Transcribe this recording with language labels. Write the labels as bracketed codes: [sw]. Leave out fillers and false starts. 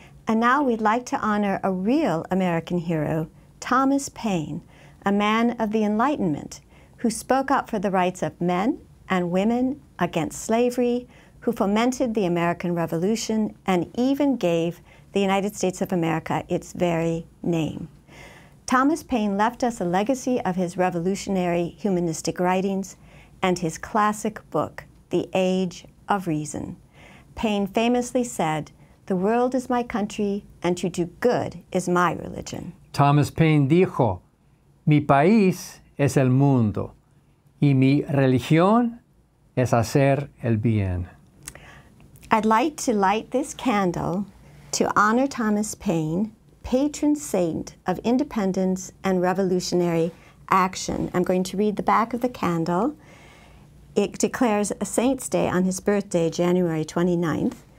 [en] And now we'd like to honor a real American hero, Thomas Paine, a man of the Enlightenment who spoke up for the rights of men and women against slavery, who fomented the American Revolution and even gave the United States of America its very name. Thomas Paine left us a legacy of his revolutionary humanistic writings and his classic book, The Age of Reason. Paine famously said, "The world is my country, and to do good is my religion." [es] Thomas Paine dijo, "Mi país es el mundo, y mi religión es hacer el bien." [en] I'd like to light this candle to honor Thomas Paine, patron saint of independence and revolutionary action. I'm going to read the back of the candle. It declares a saint's day on his birthday, January 29th.